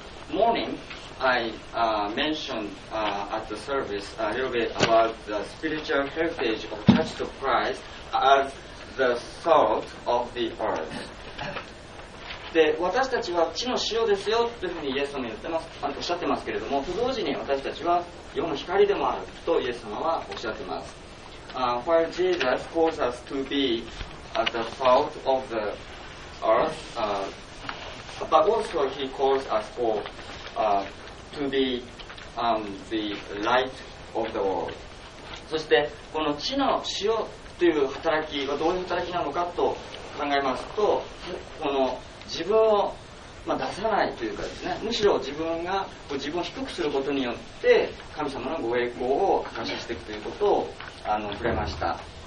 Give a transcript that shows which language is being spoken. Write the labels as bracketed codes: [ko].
[en] Morning, I mentioned at the service a little bit about the spiritual heritage of Church of Christ as the salt of the earth. [ja] で、私たちは地の塩ですよというふうにイエス様に言ってます、おっしゃってますけれども、と同時に私たちは世の光でもあるとイエス様はおっしゃってます。 [en] While Jesus calls us to be at the salt of the earth, but also he calls us for to be the light of the world. [ja] そしてこの地の塩という働きはどういう働きなのかと考えますと、この自分を出さないというかですね、むしろ自分が自分を低くすることによって神様のご栄光を感謝していくということを触れました。